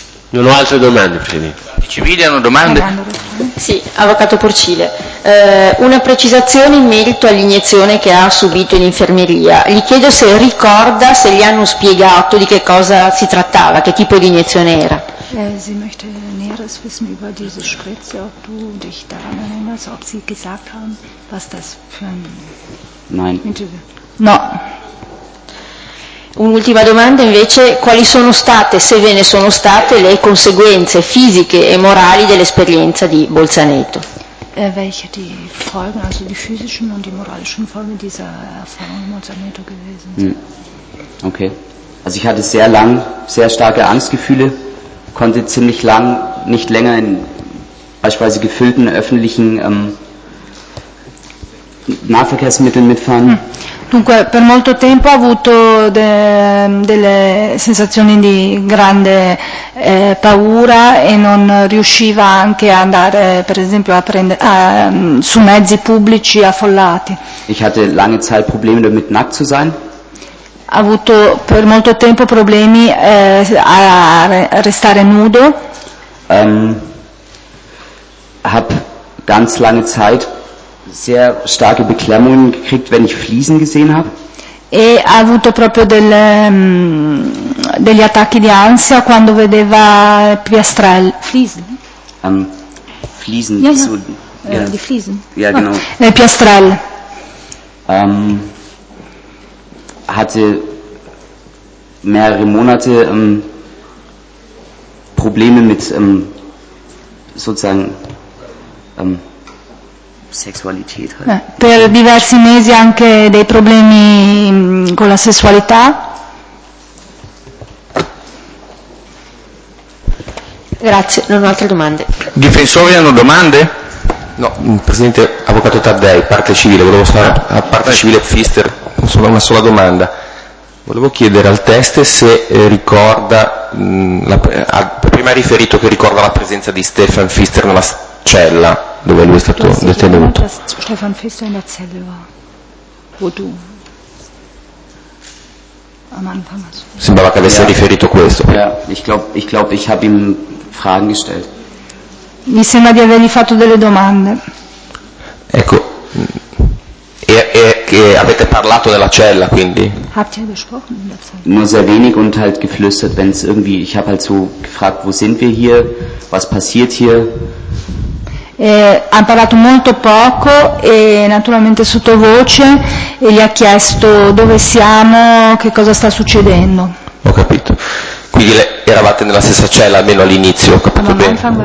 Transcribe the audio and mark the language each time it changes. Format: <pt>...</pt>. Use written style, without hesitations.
<it>Non ho altre domande, Presidente. I civili hanno domande? Sì, Avvocato Porcile. Una precisazione in merito all'iniezione che ha subito in infermeria. Gli chiedo se ricorda, se gli hanno spiegato di che cosa si trattava, che tipo di iniezione era.</it> <de>Sie möchte näheres wissen über diese Spritze, ob du dich daran erinnerst, ob sie gesagt haben, was das für ein... Nein.</de> <it>No. Un'ultima domanda invece, quali sono state, se ve ne sono state, le conseguenze fisiche e morali dell'esperienza di Bolzaneto?</it> <de>Welche die Folgen, also die physischen und die moralischen Folgen dieser Erfahrung in Bolzaneto gewesen sind?</de> <en>Okay.</en> <de>Also ich hatte sehr lang sehr starke Angstgefühle, konnte ziemlich lang nicht länger in beispielsweise gefüllten öffentlichen Nahverkehrsmitteln mitfahren.</de> <it>Dunque, per molto tempo ho avuto delle sensazioni di grande paura e non riusciva anche a andare, per esempio, su mezzi pubblici affollati.</it> <de>Ich hatte lange Zeit Probleme damit, nackt zu sein.</de> <it>Ho avuto per molto tempo problemi a restare nudo.</it> <de>Hab ganz lange Zeit sehr starke Beklemmungen gekriegt, wenn ich Fliesen gesehen habe.</de> <it>E ha avuto proprio degli attacchi di ansia quando vedeva piastrelle.</it> <de>Fliesen? Fliesen. Ja, so, ja. Ja. Die Fliesen. Ja, genau.</de> <it>Le piastrelle.</it> <de>Hatte mehrere Monate Probleme mit sozusagen Sexualität.</de> <it>Per diversi mesi anche dei problemi con la sessualità. Grazie, non ho altre domande. Difensori hanno domande? No, Presidente, Avvocato Taddei, parte civile, volevo fare a parte civile Pfister, solo una sola domanda. Volevo chiedere al teste se ricorda, prima ha riferito che ricorda la presenza di Stefan Pfister nella cella dove lui è stato detenuto. Stefan Pfister nella cella dove tu. Sembrava che avesse riferito questo. Mi sembra di avergli fatto delle domande. Ecco, e che avete parlato della cella, quindi?</it> <de>Nur sehr wenig und halt geflüstert, wenn es irgendwie. Ich habe halt so gefragt, wo sind wir hier, was passiert hier.</de> <it>Ha parlato molto poco e naturalmente sottovoce e gli ha chiesto dove siamo, che cosa sta succedendo. Ho capito. Quindi eravate nella stessa cella almeno all'inizio, ho capito bene.</it>